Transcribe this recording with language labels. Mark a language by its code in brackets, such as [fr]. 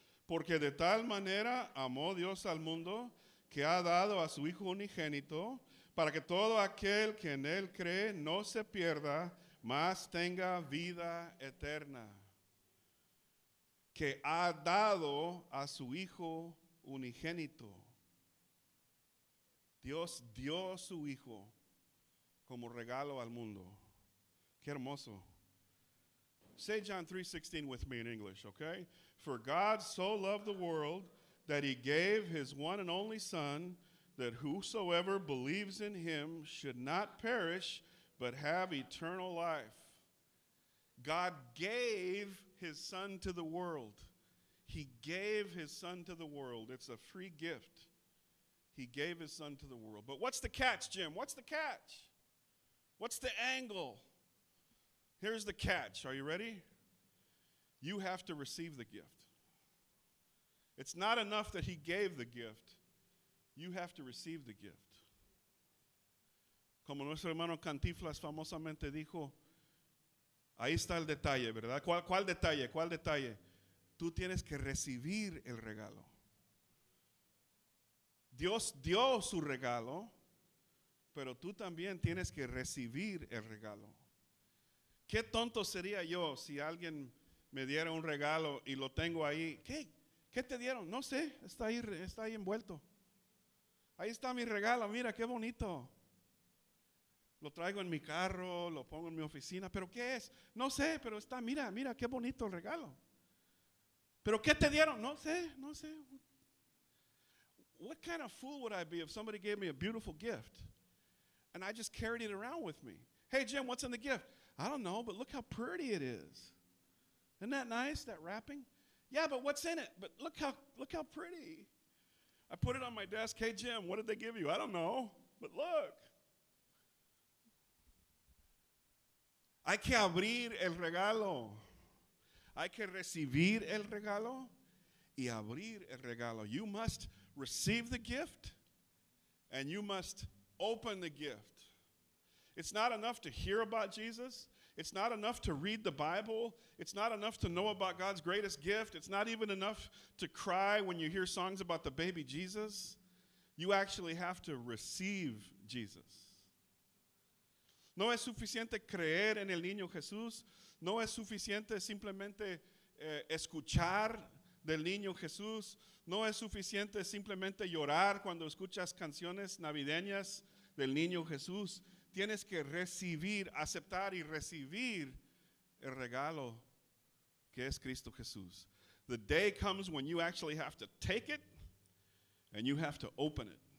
[es] Porque de tal manera amó Dios al mundo que ha dado a su Hijo unigénito para que todo aquel que en él cree no se pierda, mas tenga vida eterna. Que ha dado a su Hijo unigénito. Dios dio su Hijo como regalo al mundo. Qué hermoso. [en] Say John 3:16 with me in English, okay? For God so loved the world that he gave his one and only son, that whosoever believes in him should not perish, but have eternal life. God gave his son to the world. He gave his son to the world. It's a free gift. He gave his son to the world. But what's the catch, Jim? What's the catch? What's the angle? Here's the catch. Are you ready? You have to receive the gift. It's not enough that he gave the gift. You have to receive the gift. [es] Como nuestro hermano Cantiflas famosamente dijo, ahí está el detalle, ¿verdad? ¿Cuál detalle? ¿Cuál detalle? Tú tienes que recibir el regalo. Dios dio su regalo, pero tú también tienes que recibir el regalo. ¿Qué tonto sería yo si alguien me diera un regalo y lo tengo ahí? ¿Qué? ¿Qué te dieron? No sé, está ahí envuelto. Ahí está mi regalo, mira qué bonito. Lo traigo en mi carro, lo pongo en mi oficina. ¿Pero qué es? No sé, pero está, mira, mira, qué bonito el regalo. ¿Pero qué te dieron? No sé, no sé. [en] What kind of fool would I be if somebody gave me a beautiful gift and I just carried it around with me? Hey, Jim, what's in the gift? I don't know, but look how pretty it is. Isn't that nice, that wrapping? Yeah, but what's in it? But look how pretty. I put it on my desk. Hey, Jim, what did they give you? I don't know, but look. [es] Hay que abrir el regalo. Hay que recibir el regalo y abrir el regalo. [en] You must receive the gift and you must open the gift. It's not enough to hear about Jesus. It's not enough to read the Bible. It's not enough to know about God's greatest gift. It's not even enough to cry when you hear songs about the baby Jesus. You actually have to receive Jesus. [es] No es suficiente creer en el niño Jesús. No es suficiente simplemente escuchar del niño Jesús. No es suficiente simplemente llorar cuando escuchas canciones navideñas del niño Jesús. Tienes que recibir, aceptar y recibir el regalo que es Cristo Jesús. [en] The day comes when you actually have to take it and you have to open it.